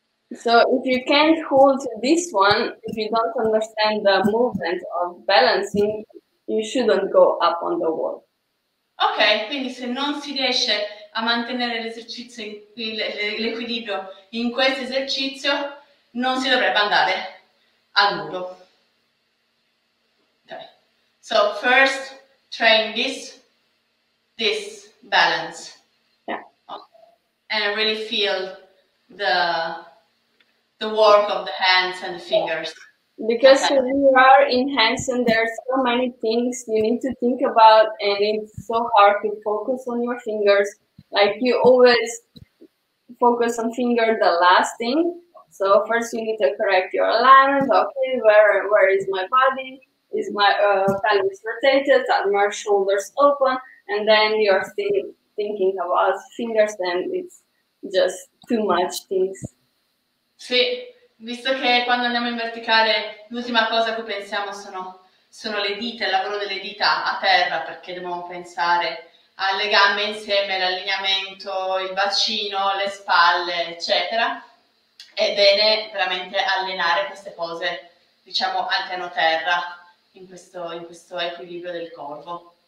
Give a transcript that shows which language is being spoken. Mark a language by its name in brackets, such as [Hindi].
[English] So if you can't hold this one, if you don't understand the movement of balancing, you shouldn't go up on the wall. [Italian] Ok, quindi se non si riesce a mantenere l'esercizio, l'equilibrio in questo esercizio, non si dovrebbe andare al muro. [English] Okay. So first train this balance. Yeah. Okay. And really feel the work of the hands and the fingers. Because when you are in handstand, there are so many things you need to think about, and it's so hard to focus on your fingers. Like, you always focus on finger the last thing. So first you need to correct your alignment. Okay, where is my body? Is my pelvis rotated? Are my shoulders open? And then you're still thinking about fingers, and it's just too much things. [Italian] Sì. Visto che quando andiamo in verticale l'ultima cosa a cui pensiamo sono le dita, il lavoro delle dita a terra, perché dobbiamo pensare alle gambe insieme, l'allineamento, il bacino, le spalle, eccetera, è bene veramente allenare queste pose, diciamo, al piano terra, in questo equilibrio del corpo.